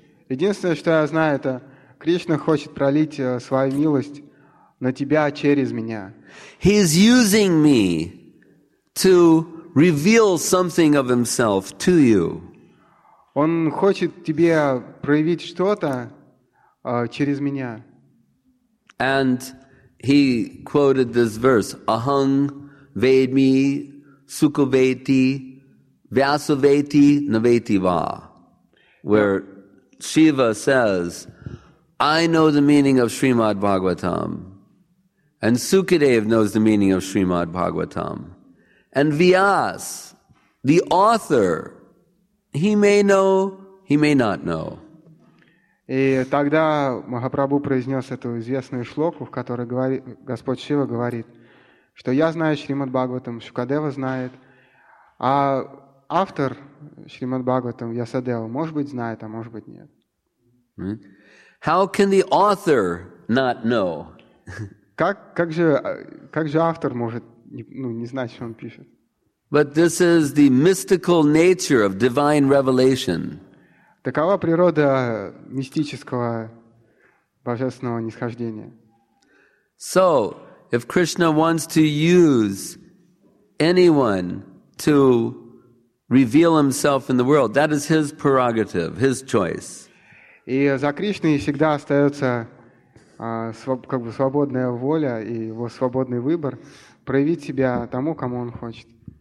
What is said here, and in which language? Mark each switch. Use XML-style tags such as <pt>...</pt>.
<ru>Единственное, что я знаю, это Кришна хочет пролить свою милость на тебя через меня.</ru> <en>He is using me to reveal something of himself to you.</en> <ru>Он хочет тебе проявить что-то через меня.</ru> <en>And He quoted this verse,</en> <sa>Ahang Vedmi Sukhaveti Vyasaveti Naveti Va,</sa> <en>where Shiva says, I know the meaning of Srimad Bhagavatam, and Sukadev knows the meaning of Srimad Bhagavatam, and Vyas, the author, he may know, he may not know.</en> <ru>И тогда Махапрабху произнес эту известную шлоку, в которой говорит, Господь Шива говорит, что я знаю Шримад Бхагаватам, Шукадева знает, а автор Шримад Бхагаватам, Ясадева, может быть, знает, а может быть, нет.</ru> <en>How can the author not know?</en> <ru>Как же автор может не знать, что он пишет?</ru> <en>But this is the mystical nature of divine revelation.</en> <ru>Такова природа мистического божественного нисхождения.</ru> <en>So, if Krishna wants to use anyone to reveal himself in the world, that is his prerogative, his choice.</en> <ru>И за Кришной всегда остается как бы свободная воля и его свободный выбор проявить себя тому, кому он хочет.</ru>